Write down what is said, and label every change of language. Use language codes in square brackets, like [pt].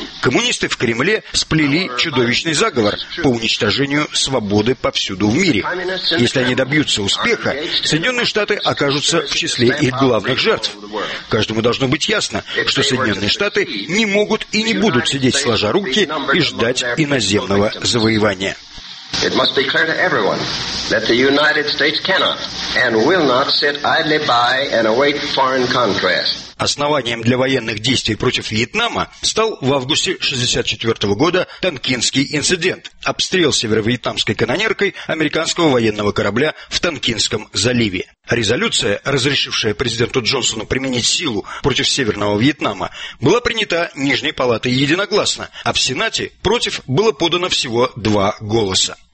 [ru] Коммунисты в Кремле сплели чудовищный заговор по уничтожению свободы повсюду в мире. Если они добьются успеха, Соединенные Штаты окажутся в числе их главных жертв. Каждому должно быть ясно, что Соединенные Штаты не могут и не будут сидеть сложа руки и ждать иноземного завоевания. [en] It must be clear to everyone that the United States cannot and will not sit idly by and await foreign conquest. [ru] Основанием для военных действий против Вьетнама стал в августе 1964 года Танкинский инцидент – обстрел северо-вьетнамской канонеркой американского военного корабля в Танкинском заливе. Резолюция, разрешившая президенту Джонсону применить силу против Северного Вьетнама, была принята Нижней палатой единогласно, а в Сенате против было подано всего 2 голоса.